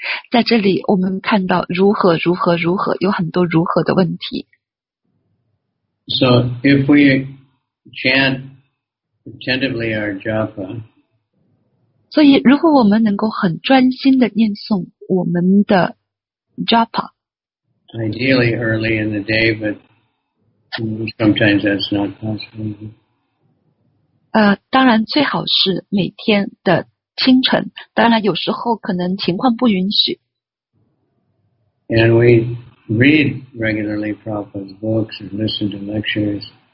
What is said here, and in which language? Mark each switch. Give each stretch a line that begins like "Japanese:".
Chinese: 在这里我们看到如何如何如何，有很多如何的问题。
English: So if we chant attentively our japa,
Chinese: 所以如果我们能够很专心地念诵我们的 japa,
English: ideally early in the day, but sometimes that's not possible.
Chinese: 当然最好是每天的清晨，当然有时候可能情况不允许。
English: And we read regularly Prabhupada's books and listen to lectures.